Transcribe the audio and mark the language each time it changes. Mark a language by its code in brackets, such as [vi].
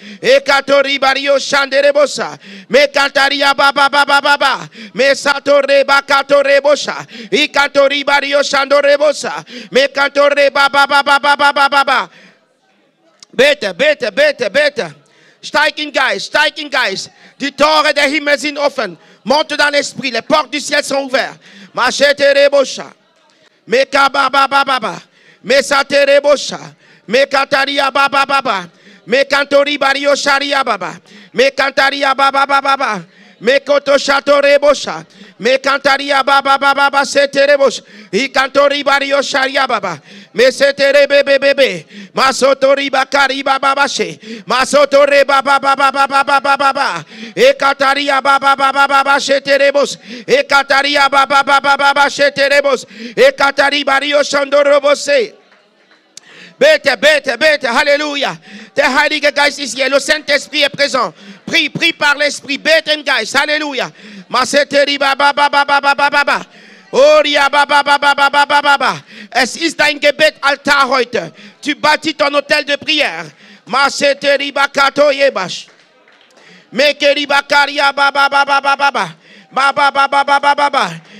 [de] E catori bario sanderebosa. Me cantaria ba ba ba ba ba ba. Me santo reba catorebosa. E cantori bario sandorebosa. Me cantore ba ba ba ba ba ba ba ba ba. Bete, bete, bete, bete. Steig in Geist, die Tore der Himmel sind offen. [fr] Monte dans l'esprit, les portes du ciel sont ouvertes. Machete rebosha, meka ba ba ba ba ba, mesate rebosha, mekataria ba ba ba ba, mekantori bario sharia ba ba, mekantaria ba ba ba ba ba, Me koto shato rebosha. Me kantaria baba baba baba sete rebosha. I kantori bario sharia baba. Me sete rebe be be be. Masoto riba kariba baba she. Masoto reba baba baba baba baba baba. E kataria baba baba baba sete rebos. E kataria baba baba baba sete rebos. E katari bario shando rebose. [de] Bete, bete, bete, hallelujah. Der Heilige Geist ist hier, [fr] le Saint-Esprit est présent. Prie, prie par l'Esprit, [de] bete im Geist, hallelujah. Masete riba, ba, ba, ba, ba, ba, ba, ba, ba. Oria, ba, ba, ba, ba, ba, ba, ba, ba. Es ist dein Gebet-Altar heute. [fr] Tu bâtis ton hôtel de prière. Masete riba, kato, yebash. Meke riba, karia, ba, ba, ba, ba, ba, ba, ba, ba, ba, ba, ba, ba, ba, ba, ba.